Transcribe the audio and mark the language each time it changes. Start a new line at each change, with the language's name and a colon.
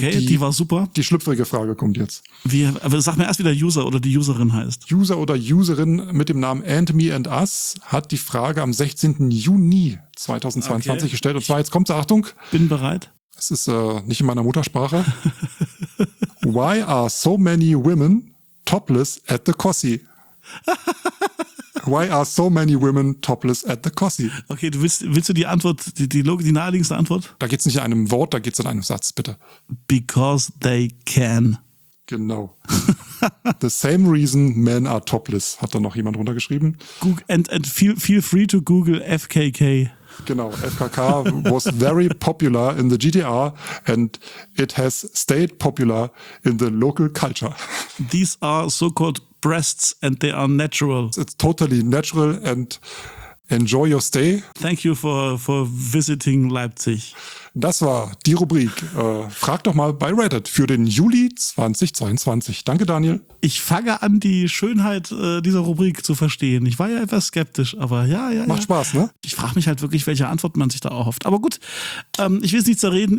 German: die war super. Die schlüpfrige Frage kommt jetzt. Sag mir erst, wie der User oder die Userin heißt. User oder Userin mit dem Namen And Me and Us hat die Frage am 16. Juni 2022 gestellt. Und zwar, jetzt kommt's, Achtung. Bin bereit. Es ist nicht in meiner Muttersprache.
English: Why are so many women topless at the Cossi? Why are so many women topless at the Cossi?
German: Okay, willst du die Antwort, die naheliegendste Antwort? Da geht's nicht in einem Wort, da geht's in einem Satz, bitte.
English: Because they can. Genau. The same reason men are topless, hat da noch jemand runtergeschrieben. And feel free to Google FKK. Genau, FKK was very popular in the GDR and it has stayed popular in the local culture. These are so-called breasts and they are natural. It's totally natural and enjoy your stay. Thank you for visiting Leipzig.
German: Das war die Rubrik. Frag doch mal bei Reddit für den Juli 2022. Danke, Daniel. Ich fange an, die Schönheit dieser Rubrik zu verstehen. Ich war ja etwas skeptisch, aber ja. Macht Spaß, ne? Ich frage mich halt wirklich, welche Antwort man sich da erhofft. Aber gut, ich will es nicht zerreden.